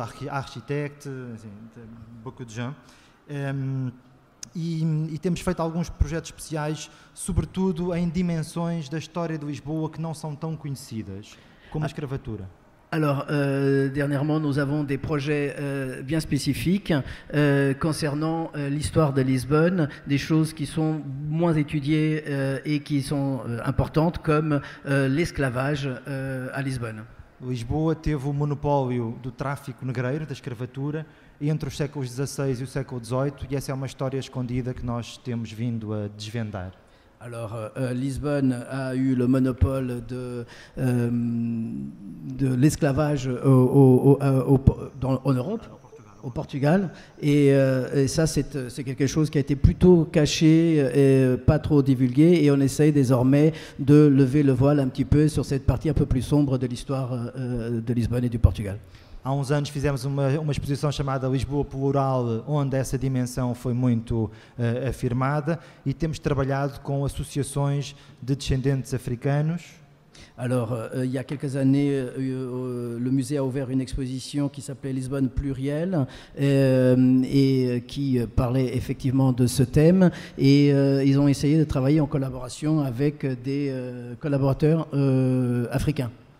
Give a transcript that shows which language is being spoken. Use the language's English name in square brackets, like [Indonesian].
[French] Architectes, beaucoup de gens. [Portuguese] E temos feito alguns projetos especiais, sobretudo em dimensões da história de Lisboa que não são tão conhecidas, como a escravatura. [French] Alors, dernièrement, nous avons des projets bien spécifiques concernant l'histoire de Lisbonne, des choses qui sont moins étudiées et qui sont importantes, comme l'esclavage à Lisbonne. [Portuguese] Lisboa teve o monopólio do tráfico negreiro, da escravatura, entre os séculos XVI e o século XVIII, e essa é uma história escondida que nós temos vindo a desvendar. [French] Alors, Lisbonne a eu le monopole de l'esclavage en Europe, au Portugal. Et ça, c'est quelque chose qui a été plutôt caché et pas trop divulgué. Et on essaye désormais de lever le voile un petit peu sur cette partie un peu plus sombre de l'histoire de Lisbonne et du Portugal. [Portuguese] Há uns anos fizemos uma exposição chamada Lisboa Plural, onde essa dimensão foi muito afirmada, e temos trabalhado com associações de descendentes africanos. [French] Alors, il y a quelques années, le musée a ouvert une exposition qui s'appelait Lisbonne Pluriel et qui parlait effectivement de ce thème. Et ils ont essayé de travailler en collaboration avec des collaborateurs africains.